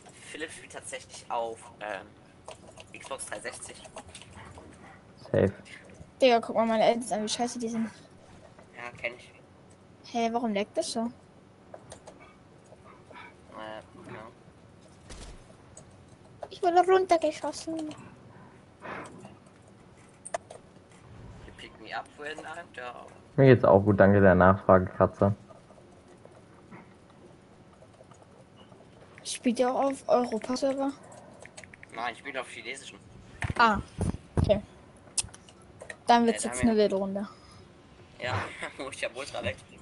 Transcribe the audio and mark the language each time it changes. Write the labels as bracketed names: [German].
[German] Philipp spielt tatsächlich auf Xbox 360. Safe. Digga, guck mal meine Edits an, wie scheiße die sind. Ja, kenn ich. Hä, hey, warum leckt das so? Ja. Ich wurde runtergeschossen. [English] You pick me up when I'm down. [German] Mir geht's auch gut, danke der Nachfrage, Katze. Spielt ihr auch auf Europa-Server? Nein, ich spiele auf Chinesischen. Ah, okay. Dann wird's jetzt eine wilde Runde. Ja, ich hab Ultra weg.